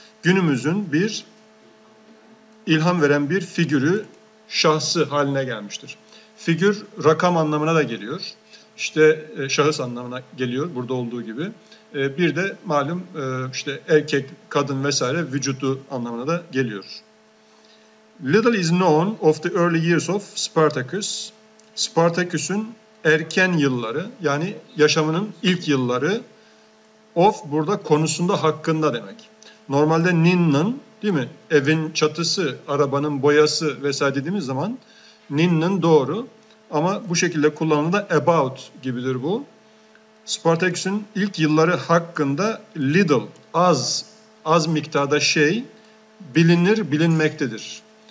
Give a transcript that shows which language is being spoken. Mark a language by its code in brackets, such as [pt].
[tr] Günümüzün bir ilham veren bir figürü, şahsı haline gelmiştir. Figür, rakam anlamına da geliyor. İşte şahıs anlamına geliyor, burada olduğu gibi. Bir de malum işte erkek, kadın vesaire vücudu anlamına da geliyor. [en] Little is known of the early years of Spartacus. [tr] Spartacus'un erken yılları, yani yaşamının ilk yılları, of burada konusunda, hakkında demek. Normalde ninnan, değil mi? Evin çatısı, arabanın boyası vesaire dediğimiz zaman ninnan doğru. Ama bu şekilde kullanıldığında about gibidir bu. Spartacus'un ilk yılları hakkında little, az, az miktarda şey bilinir, bilinmektedir.